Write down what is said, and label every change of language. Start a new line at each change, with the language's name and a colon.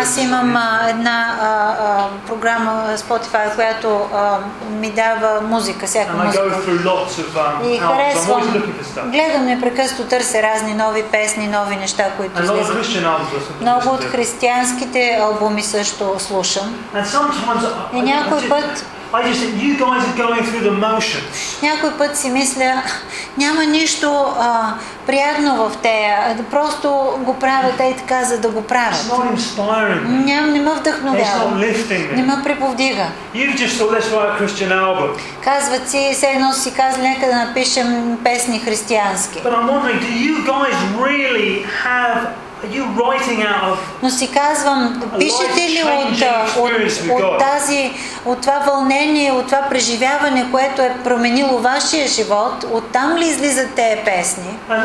Bulgarian: Аз имам една програма Spotify, която ми дава музика, всяка музика.
English: And I go through lots of
Bulgarian: и харесвам. Гледам непрекъснато, търся разни нови песни, нови неща, които слушам. Много от християнските албуми също слушам.
English: And sometimes
Bulgarian: и някой път
English: you guys are going through the motions.
Bulgarian: Някой път си мисля, няма нищо приятно в тея, просто го правят и така, за да го правят.
English: It's not inspiring.
Bulgarian: Не ме вдъхновява.
English: It's not lifting me.
Bulgarian: Не ме приповдига.
English: You've just thought, let's write a Christian album.
Bulgarian: Казват си, все едно си казали, нека да напишем песни християнски.
English: But I'm wondering, do you guys really have Are you writing out of
Bulgarian: Но си казвам, пишете ли от тази, от това вълнение, от това преживяване, което е променило вашия живот, оттам ли излизат тези песни?